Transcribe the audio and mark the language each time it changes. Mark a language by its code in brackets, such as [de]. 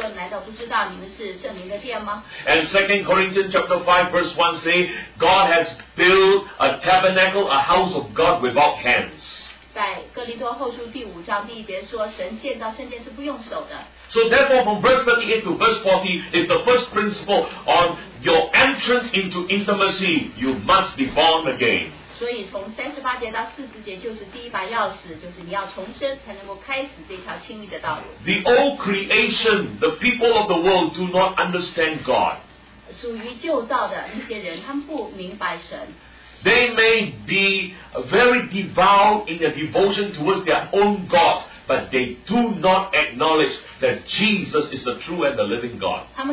[zh] 哥林多前书三章十六节说，难道不知道你们是圣灵的殿吗？ [en] And 2 Corinthians chapter 5:1 says, "God has built a tabernacle, a house of God, without hands." [zh] 在哥林多后书第五章第一节说，神建造圣殿是不用手的。So [en] therefore, from verse 38 to verse 40 is the first principle on your entrance into intimacy. You must be born again. [zh] 所以从38节到40节就是第一把钥匙，就是你要重生才能够开始这条亲密的道路。 [en] The old creation, the people of the world do not understand God. [zh] 属于旧造的那些人，他们不明白神。 [en] They may be very devout in their devotion towards their own gods, but they do not acknowledge that Jesus is the true and the living God.